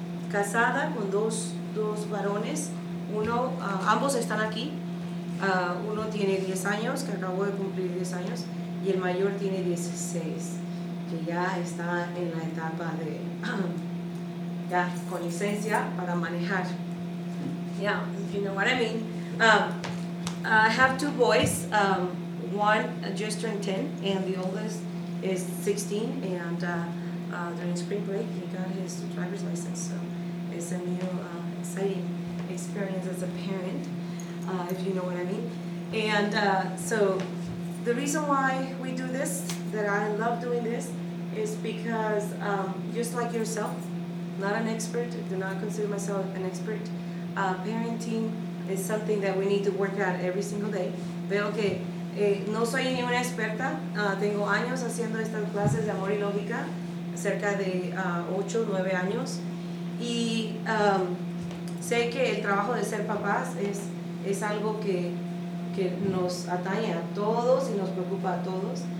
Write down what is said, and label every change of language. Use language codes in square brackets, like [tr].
[es] Casada con dos varones, ambos están aquí, uno tiene 10 años, que acabó de cumplir 10 años, y el mayor tiene 16, que ya está en la etapa de, ya con licencia para manejar. [en] Yeah, if you know what I mean. I have two boys, one just turned 10, and the oldest is 16, and during spring break, he got his driver's license, so it's a new exciting experience as a parent, if you know what I mean. And so the reason why we do this, that I love doing this, is because just like yourself, not an expert, do not consider myself an expert, parenting is something that we need to work at every single day. [es] Veo que no soy ni una experta, tengo años haciendo estas clases de amor y lógica, cerca de 8 o 9 años, y sé que el trabajo de ser papás es algo que nos atañe a todos y nos preocupa a todos.